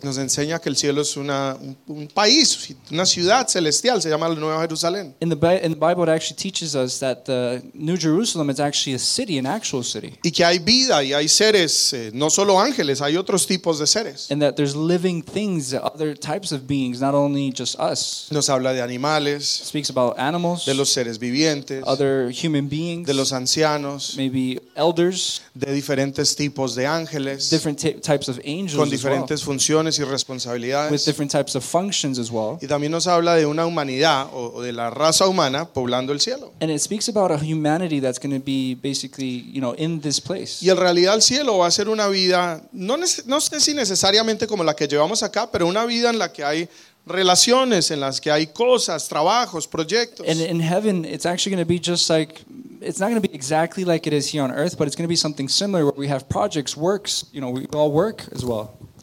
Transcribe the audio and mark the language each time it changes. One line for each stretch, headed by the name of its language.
Spanish: nos enseña que el cielo es un país, una ciudad celestial, se llama la Nueva Jerusalén.
English: In the Bible, it actually teaches us that the New Jerusalem is actually a city, an actual city.
Spanish: Y que hay vida y hay seres, no solo ángeles, hay otros tipos de seres.
English: And that there's living things, other types of beings, not only just us.
Spanish: Nos habla de animales.
English: It speaks about animals.
Spanish: De los seres vivientes.
English: Other human beings.
Spanish: De los ancianos.
English: Maybe elders.
Spanish: De diferentes tipos de ángeles,
English: different types of angels,
Spanish: con diferentes
English: as well,
Spanish: funciones y responsabilidades,
English: with different types of functions as well.
Spanish: Y también nos habla de una humanidad o de la raza humana poblando el cielo.
English: And it speaks about a humanity that's going to be basically, you know, in this place.
Spanish: Y en realidad el cielo va a ser una vida, no sé si necesariamente como la que llevamos acá, pero una vida en la que hay relaciones, en las que hay cosas, trabajos, proyectos.
English: And in heaven, it's actually going to be just like, it's not going to be exactly like it is here on earth, but it's going to be something similar where we have projects, works, you know, we all work as well.